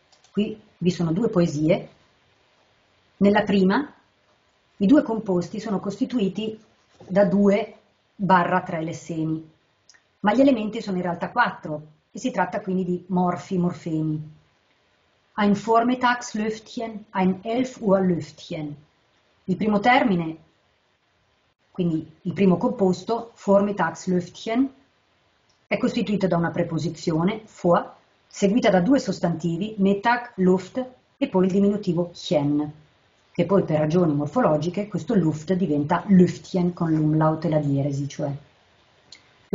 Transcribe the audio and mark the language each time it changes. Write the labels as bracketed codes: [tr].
[it] Qui vi sono due poesie. Nella prima, i due composti sono costituiti da due barra tre lessemi, ma gli elementi sono in realtà quattro e si tratta quindi di morfi, morfemi. [de] Ein Vormittagslüftchen, ein Elf-Uhr-Lüftchen. [it] Il primo termine, quindi il primo composto, Vormittagslüftchen, è costituito da una preposizione, vor, seguita da due sostantivi, Mittag, Luft, e poi il diminutivo chien, che poi per ragioni morfologiche questo Luft diventa Lüftchen con l'umlaut e la dieresi, cioè. La